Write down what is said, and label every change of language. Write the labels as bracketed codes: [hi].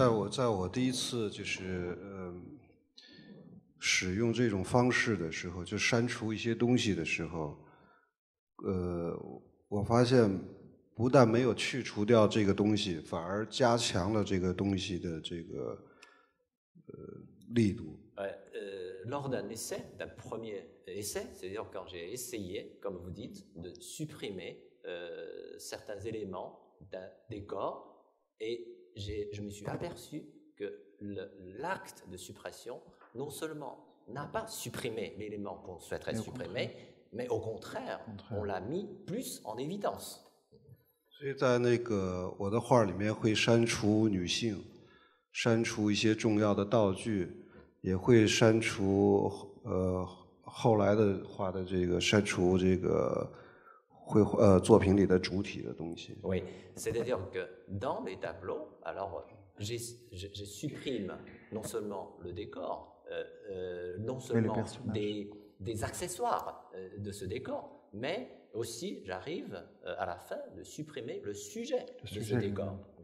[zh] 在我第一次就是使用这种方式的时候，就删除一些东西的时候，我发现。不但没有去除掉这个东西，反而加强了这个东西的这个力度。 [fr] Lors d'un essai, d'un premier essai, c'est-à-dire quand j'ai essayé, comme vous dites, de supprimer certains éléments d'un décor, et je me suis aperçu que l'acte de suppression non seulement n'a pas supprimé l'élément qu'on souhaiterait supprimer, mais au contraire, on l'a mis plus en évidence. [zh] 所以在那个我的画里面会删除女性，删除一些重要的道具，也会删除后来的画的这个删除这个绘画作品里的主体的东西。 [fr] Oui, c'est-à-dire que dans les tableaux, alors je supprime non seulement le décor, non seulement des accessoires de ce décor, mais aussi j'arrive à la fin de supprimer le sujet de ce décor.